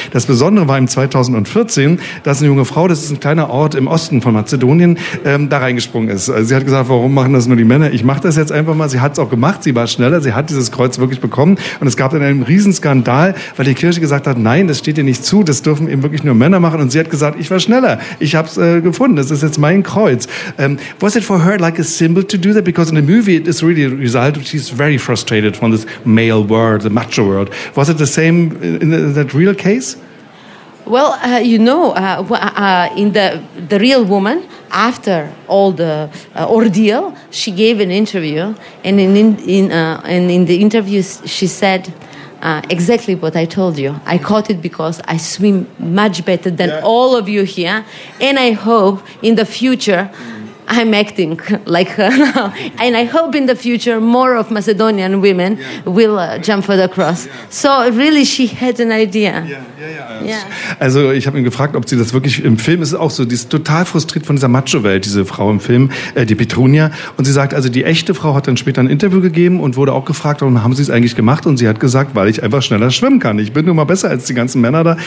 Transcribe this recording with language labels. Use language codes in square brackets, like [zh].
[de] Das Besondere war im 2014, dass eine junge Frau, das ist ein kleiner Ort im Osten von Mazedonien, da reingesprungen ist. Also sie hat gesagt, warum machen das nur die Männer? Ich mache das jetzt einfach mal. Sie hat es auch gemacht, sie war schneller, sie hat dieses Kreuz wirklich bekommen. Und es gab dann einen Riesenskandal, weil die Kirche gesagt hat, nein, das steht dir nicht zu, das dürfen eben wirklich nur Männer machen. Und sie hat gesagt, ich war schneller, ich habe es gefunden, das ist jetzt mein Kreuz. [en] Was it for her like a symbol to do that? Because in the movie it is really a result, she's very frustrated from this male world, the macho world. Was it the same in that real case? Well, in the real woman, after all the ordeal, she gave an interview, and in the interview she said exactly what I told you. I caught it because I swim much better than all of you here, and I hope in the future I'm acting like her now. And I hope in the future more of Macedonian women will jump for the cross. Yeah. So really she had an idea. Yeah. [de] Also ich habe ihn gefragt, ob sie das wirklich im Film, ist auch so, die ist total frustriert von dieser Macho-Welt, diese Frau im Film, die Petronia. Und sie sagt, also die echte Frau hat dann später ein Interview gegeben und wurde auch gefragt, warum haben sie es eigentlich gemacht? Und sie hat gesagt, weil ich einfach schneller schwimmen kann. Ich bin nun mal besser als die ganzen Männer da.